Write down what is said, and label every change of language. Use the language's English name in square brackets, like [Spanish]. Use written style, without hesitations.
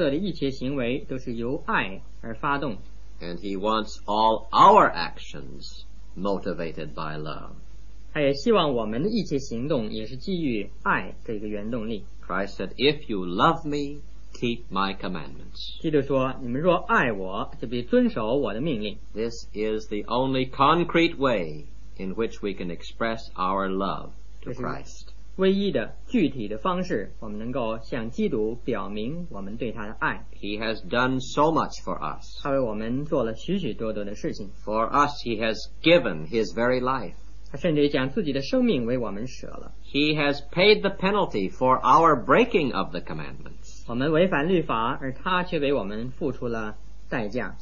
[Chinese] 他所有的一切行为都是由爱而发动。 [English] And he wants all our actions motivated by love. [Chinese] 他也希望我们的一切行动也是基于爱这个原动力。 [English] Christ said, "If you love me, keep my commandments." [Chinese] 基督说,你们若爱我,就必遵守我的命令。 [English] This is the only concrete way in which we can express our love to Christ. [Chinese] 唯一的具体的方式,我们能够向基督表明我们对他的爱。 [English] He has done so much for us. [Chinese] 他为我们做了许许多多的事情。 [English] For us, he has given his very life. [Chinese] 他甚至将自己的生命为我们舍了。 [English] He has paid the penalty for our breaking of the commandments. [Chinese] 我们违反律法,而他却为我们付出了代价。